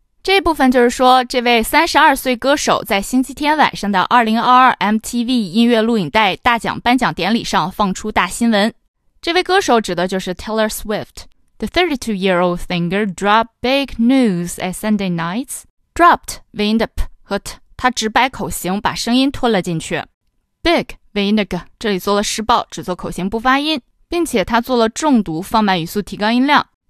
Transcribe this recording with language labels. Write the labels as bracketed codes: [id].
[zh] 这部分就是说，这位32岁歌手在星期天晚上的2022 MTV 音乐录影带大奖颁奖典礼上放出大新闻。这位歌手指的就是 Taylor Swift. [en] The 32-year-old singer dropped big news at Sunday night's. [zh] Dropped 尾音的 p 和 t， 他直白口型把声音拖了进去。 Big 尾音的 g 这里做了失爆，只做口型不发音，并且他做了重读，放慢语速提高音量。